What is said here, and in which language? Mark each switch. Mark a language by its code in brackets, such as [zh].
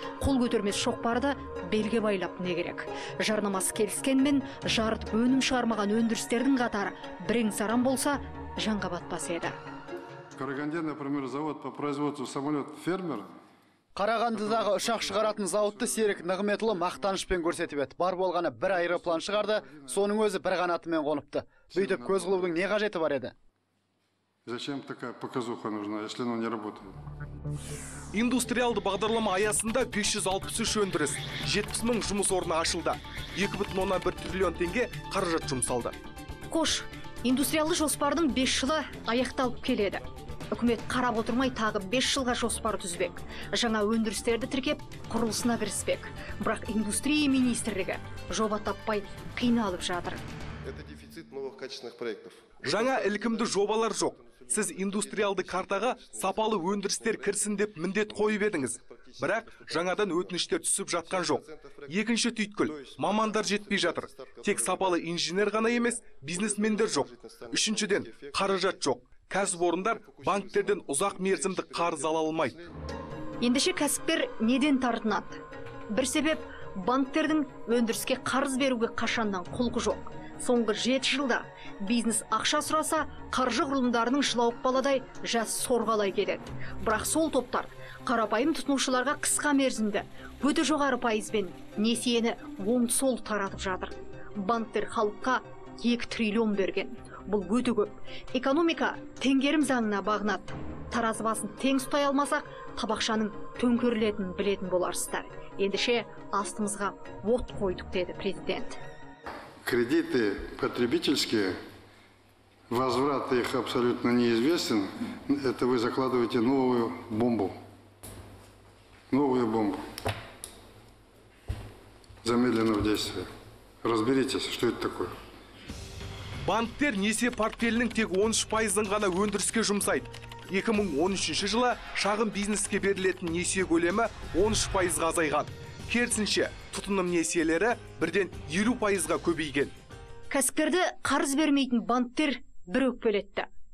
[kk] Қол көтермес шоқпарды белге байлап не керек? Жарнамасы келіскенмен, жарытып өнім шығармаған өндірістердің қатары бірен-саран болса, жанға батпас еді. [ru] Қарағанды, например, завод по производству самолет «Фермер». [kk] Қарағандыдағы ұшақ шығаратын зауытты Серік Нығметұлы мақтанышпен көрсетіп еді. Бар болғаны бір аэроплан шығарды, соның өзі бір қанатымен қоныпты. Бүйтіп көз қылудың не қажеті бар еді? [ru] Зачем такая показуха нужна, если оно не работает? [kk] Индустриалды бағдарлама аясында 563 өндіріс, 70 мың жұмыс орны ашылды. 2,1 триллион теңге қаражат жұмсалды. Қош, индустриалды жоспардың 5 жылы аяқталып келеді. Үкімет қарап отырмай тағы 5 жылға жоспар түзбек. Жаңа өндірістерді тіркеп, құрылысына кіріспек. Бірақ индустрия министрлігі жоба таппай қиналып жатыр. [ru] Это дефицит новых качественных проектов. [kk] Жаңа ілкімді жобалар жоқ. Сіз индустриалды картаға сапалы өндірістер кірсін деп міндет қойып едіңіз. Бірақ жаңадан өтініштер түсіп жатқан жоқ. Екінші түйткіл, мамандар жетпей жатыр. Тек сапалы инженер ғана емес, бизнесмендер жоқ. Үшіншіден, қаражат жоқ. Кәсіпорындар банктерден ұзақ мерзімді қарыз ала алмайды. Ендеше кәсіпкер неден тартынады? Бір себеп, банктердің өндіріске қарыз беруге қашаннан құлқы жоқ. Соңғы 7 жылда бизнес ақша сұраса, қаржы құрылымдарының жылауық баладай жас сорғалай келеді. Бірақ сол топтар қарапайым тұтынушыларға қысқа мерзімді, өте жоғары пайызбен несиені оң-сол таратып жатыр. Банктер халыққа 2 триллион берген. Бұл өте көп. Экономика теңгерім заңына бағынады. Таразы басын тең ұстай алмасақ, табақшаның төңкерілетінін білетін боларсыздар. Ендіше астымызға от қойдық, деді президент. [ru] Кредиты потребительские, возврат их абсолютно неизвестен. Это вы закладываете новую бомбу. Новую бомбу. Замедленно в действии. Разберитесь, что это такое. [kk] Банктер несе портфелінің тек 13% ғана өндіріске жұмсайды. 2013 жылы шағын бизнеске берілетін несе көлемі 13%-ға азайған. Керісінше, тұтыным несиелері бірден 20%-ға көбейген. Кәсіпкерді қарыз бермейтін банктер бір өкпелетті.